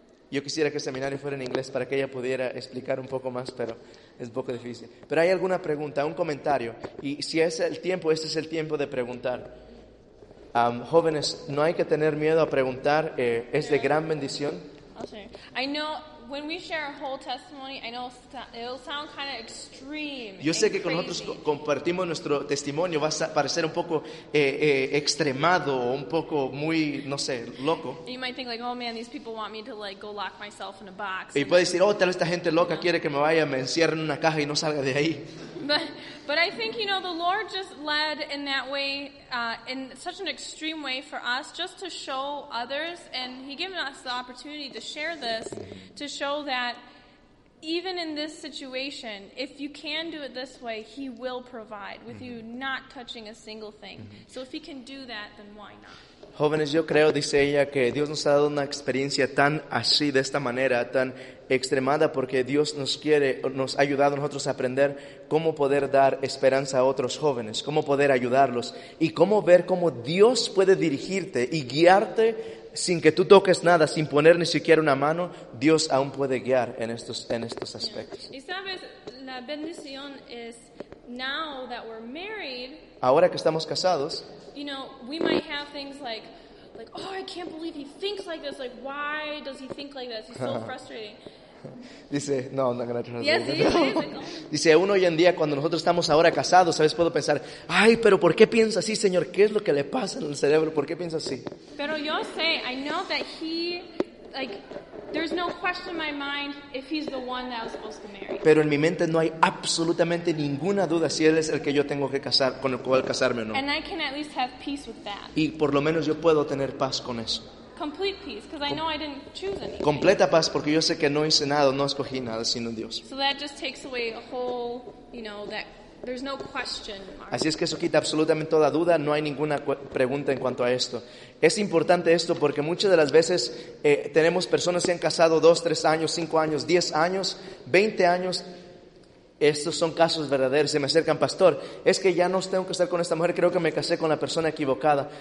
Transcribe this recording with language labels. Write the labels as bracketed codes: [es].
[es] Yo quisiera que el seminario fuera en inglés para que ella pudiera explicar un poco más, pero es un poco difícil. Pero hay alguna pregunta, un comentario. Y si es el tiempo, este es el tiempo de preguntar. Jóvenes, no hay que tener miedo a preguntar. Es de gran bendición. [en] I know when we share a whole testimony, I know it'll sound kind of extreme. [es] Yo sé que con nosotros compartimos nuestro testimonio va a parecer un poco extremado o un poco muy, no sé, loco. [en] And you might think like, oh man, these people want me to like go lock myself in a box. [es] Y puede decir, oh, tal vez esta gente loca quiere que me encierre en una caja y no salga de ahí. [en] But I think, you know, the Lord just led in that way, in such an extreme way for us, just to show others, and He given us the opportunity to share this, to show that even in this situation, if you can do it this way, He will provide, with you not touching a single thing. So if He can do that, then why not? [es] Jóvenes, yo creo, dice ella, que Dios nos ha dado una experiencia tan así, de esta manera, tan extremada, porque Dios nos quiere, nos ha ayudado a nosotros a aprender cómo poder dar esperanza a otros jóvenes, cómo poder ayudarlos y cómo ver cómo Dios puede dirigirte y guiarte sin que tú toques nada, sin poner ni siquiera una mano. Dios aún puede guiar en estos aspectos. Y sabes, la bendición es, [en] now that we're married, [es] ahora que estamos casados, [en] you know, we might have things like, oh, I can't believe he thinks like this. Like, why does he think like this? He's so frustrating. [es] Dice, no, no, gracias. [en] Yes, [es] no. Dice, uno hoy en día, cuando nosotros estamos ahora casados, a veces puedo pensar, ay, pero ¿por qué piensa así, Señor? ¿Qué es lo que le pasa en el cerebro? ¿Por qué piensa así? Pero yo sé, [en] I know that he, like, there's no question in my mind if he's the one that I was supposed to marry. [es] Pero en mi mente no hay absolutamente ninguna duda si él es el que yo tengo que casar, con el cual casarme o no. [en] And I can at least have peace with that. [es] Y por lo menos yo puedo tener paz con eso. [en] Complete peace, because I know I didn't choose anything. [es] Completa paz, porque yo sé que no hice nada, no escogí nada, sino Dios. [en] So that just takes away a whole, you know, that there's no question mark. [es] Así es que eso quita absolutamente toda duda, no hay ninguna pregunta en cuanto a esto. Es importante esto porque muchas de las veces tenemos personas que se han casado 2, 3 años, 5 años, 10 años, 20 años, Estos son casos verdaderos. Se me acercan, pastor, es que ya no tengo que estar con esta mujer, creo que me casé con la persona equivocada.